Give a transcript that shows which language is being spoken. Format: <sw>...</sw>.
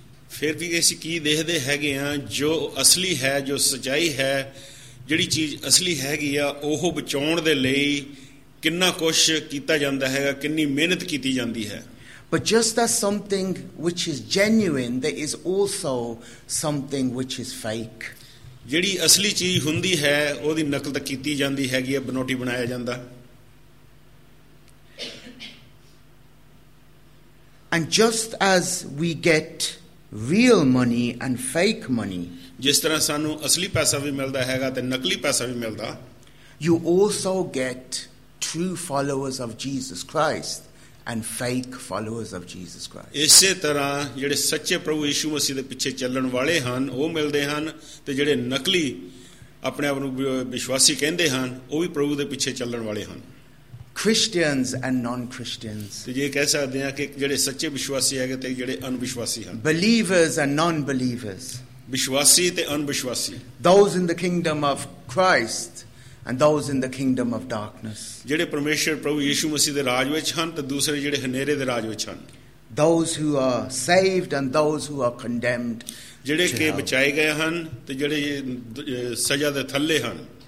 <pa>ਫਿਰ ਵੀ ਅਸੀਂ ਕੀ ਦੇਖਦੇ ਹੈਗੇ ਹਾਂ ਜੋ ਅਸਲੀ ਹੈ ਜੋ ਸੱਚਾਈ ਹੈ ਜਿਹੜੀ ਚੀਜ਼ ਅਸਲੀ ਹੈਗੀ ਆ ਉਹ ਬਚਾਉਣ ਦੇ ਲਈ ਕਿੰਨਾ ਕੁਛ ਕੀਤਾ ਜਾਂਦਾ ਹੈਗਾ ਕਿੰਨੀ ਮਿਹਨਤ ਕੀਤੀ ਜਾਂਦੀ ਹੈ</pa> <en>but just as something which is genuine there is also something which is fake</en> <pa>ਜਿਹੜੀ ਅਸਲੀ ਚੀਜ਼ ਹੁੰਦੀ ਹੈ ਉਹਦੀ ਨਕਲ ਤਾਂ ਕੀਤੀ ਜਾਂਦੀ ਹੈਗੀ ਹੈ ਬਨੋਟੀ ਬਣਾਇਆ ਜਾਂਦਾ</pa> <en>And just as we get real money and fake money,</en> <pa>ਜਿਸ ਤਰ੍ਹਾਂ ਸਾਨੂੰ ਅਸਲੀ ਪੈਸਾ ਵੀ ਮਿਲਦਾ ਹੈਗਾ ਤੇ ਨਕਲੀ ਪੈਸਾ ਵੀ ਮਿਲਦਾ,</pa> <en>you also get true followers of Jesus Christ and fake followers of Jesus Christ.</en> <pa>ਇਸੇ ਤਰ੍ਹਾਂ ਜਿਹੜੇ ਸੱਚੇ ਪ੍ਰਭੂ ਯਿਸੂ ਮਸੀਹ ਦੇ ਪਿੱਛੇ ਚੱਲਣ ਵਾਲੇ ਹਨ ਉਹ ਮਿਲਦੇ ਹਨ, ਤੇ ਜਿਹੜੇ ਨਕਲੀ ਆਪਣੇ ਆਪ ਨੂੰ ਵਿਸ਼ਵਾਸੀ ਕਹਿੰਦੇ ਹਨ ਉਹ ਵੀ ਪ੍ਰਭੂ ਦੇ ਪਿੱਛੇ ਚੱਲਣ ਵਾਲੇ ਹਨ.</pa> <en>Christians and non-Christians.</en> <pa>ਜੇ ਕਹਿ ਸਕਦੇ ਹਾਂ ਕਿ ਜਿਹੜੇ ਸੱਚੇ ਵਿਸ਼ਵਾਸੀ ਹੈਗੇ ਤੇ ਜਿਹੜੇ ਅਨਵਿਸ਼ਵਾਸੀ ਹਨ.</pa> <en>Believers and non-believers.</en> <pa>ਵਿਸ਼ਵਾਸੀ ਤੇ ਅਨਵਿਸ਼ਵਾਸੀ.</pa> <en>Those in the kingdom of Christ and those in the kingdom of darkness.</en> <pa>ਜਿਹੜੇ ਪਰਮੇਸ਼ਰ ਪ੍ਰਭੂ ਯਿਸੂ ਮਸੀਹ ਦੇ ਰਾਜ ਵਿੱਚ ਹਨ ਤੇ ਦੂਸਰੇ ਜਿਹੜੇ ਹਨੇਰੇ ਦੇ ਰਾਜ ਵਿੱਚ ਹਨ.</pa> <en>Those who are saved and those who are condemned.</en> <pa>ਜਿਹੜੇ ਕਿ ਬਚਾਏ ਗਏ ਹਨ ਤੇ ਜਿਹੜੇ ਸਜ਼ਾ ਦੇ ਥੱਲੇ ਹਨ.</pa>